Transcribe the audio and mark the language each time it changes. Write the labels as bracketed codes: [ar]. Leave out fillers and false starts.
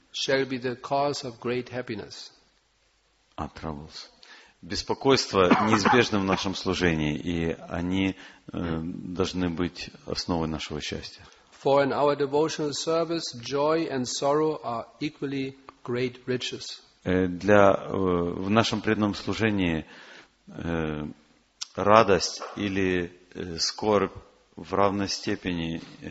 [en] Shall be the cause of great happiness. Troubles. [ru] Беспокойства неизбежны в нашем служении, и они должны быть основой нашего счастья. [en] For in our devotional service, joy and sorrow are equally great riches. [ru] Для в нашем преданном служении радость или скорбь в равной степени